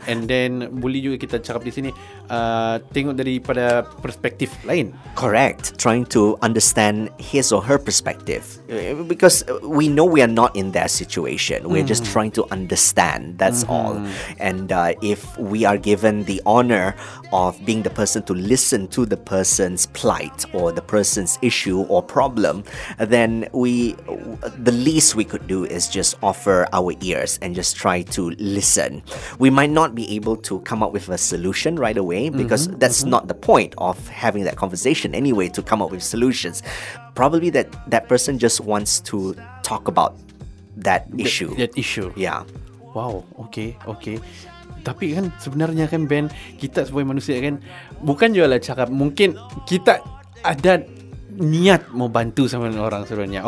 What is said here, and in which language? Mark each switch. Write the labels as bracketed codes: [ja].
[en] And then [ms] boleh juga kita cakap di sini tengok daripada perspektif lain. [en] Correct. Trying to understand his or her perspective, because we know we are not in their situation. We're just trying to understand. That's all. And if we are given the honor of being the person to listen to the person's plight or the person's issue or problem, then the least we could do is just offer our ears and just try to listen. We might not be able to come up with a solution right away, because that's not the point of having that conversation anyway, to come up with solutions. Probably that person just wants to talk about that issue. That issue. Yeah. Wow, okay. [ms] Tapi kan sebenarnya kan Ben, kita sebagai manusia kan, bukan juga lah cakap, mungkin kita ada niat mau bantu sama dengan orang sebenarnya.